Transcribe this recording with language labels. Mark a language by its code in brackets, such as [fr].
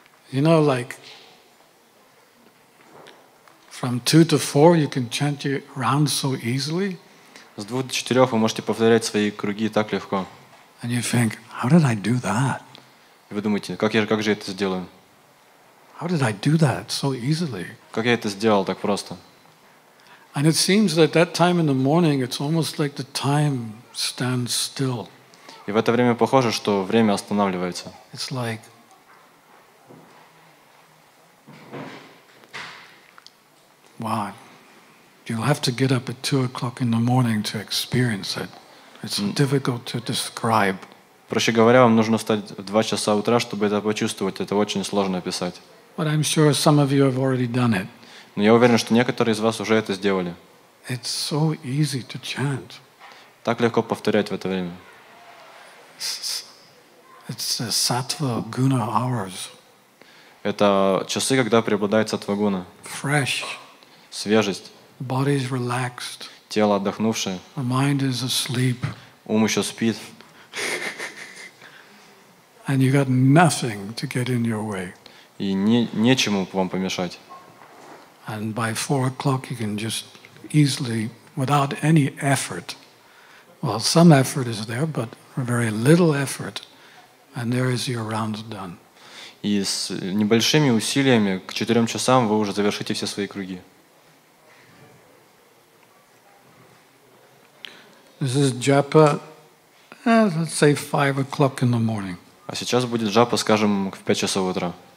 [en] You know, like from 2 to 4, you can chant your rounds so easily. [ru] С 2 до 4 вы можете повторять свои круги так легко. [en] And you think, how did I do that? [ru] Вы думаете, как же я это сделаю? [en] How did I do that so easily? [ru] Как я это сделал так просто? [en] And it seems that that time in the morning, it's almost like the time stands still. [ru] И в это время похоже, что время останавливается. [en] It's like wow. You'll have to get up at 2 o'clock in the morning to experience it. It's difficult to describe. [ru] Проще говоря, вам нужно встать в 2 часа утра, чтобы это почувствовать. Это очень сложно описать. [en] But I'm sure some of you have already done it. [ru] Но я уверен, что некоторые из вас уже это сделали. [en] It's so easy to chant. [ru] Так легко повторять в это время. [en] It's the sattva guna hours. [ru] Это часы, когда преобладает сатва гуна. [en] Fresh. [ru] Свежесть. [en] Body is relaxed. [ru] Тело отдохнувшее. [en] The mind is asleep. [ru] Ум еще спит. [en] And you got nothing to get in your way. [ru] И нечему вам помешать. [en] And by 4 o'clock you can just easily, without any effort. Well, some effort is there, but very little effort, and there is your rounds done. [ru] И с небольшими усилиями к 4 часам вы уже завершите все свои круги. [en] This is japa, let's say 5 o'clock in the morning. [ru] А сейчас будет джапа, скажем, в 5 часов утра.